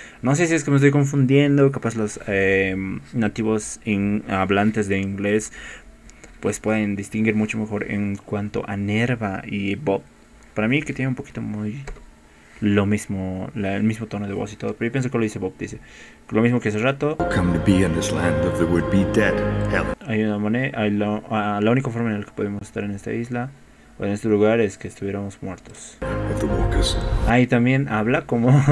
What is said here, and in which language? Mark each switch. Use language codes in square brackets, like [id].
[es] No sé si es que me estoy confundiendo. Capaz los nativos hablantes de inglés pues pueden distinguir mucho mejor en cuanto a Nerva y Bob. Para mí que tiene un poquito muy lo mismo, el mismo tono de voz y todo. Pero yo pienso que lo dice Bob. Dice lo mismo que hace rato. [en] Come to be in this land of the would-be dead, Helen. [es] Hay una manera. La única forma en la que podemos estar en esta isla. O en este lugar es que estuviéramos muertos. Ahí también habla como.